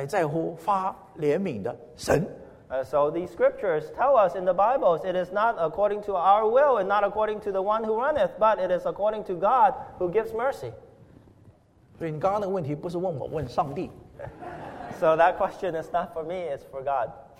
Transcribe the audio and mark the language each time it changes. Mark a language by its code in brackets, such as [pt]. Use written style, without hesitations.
[zh] 所以这个东西啊，真是圣经还是有这句话，他说不在乎定义的，也不在乎奔跑的，乃在乎发怜悯的神。 [en] So these scriptures tell us in the Bibles, it is not according to our will and not according to the one who runneth, but it is according to God who gives mercy. [zh] 所以你刚刚那个问题不是问我，问上帝。 [en] So that question is not for me, it's for God.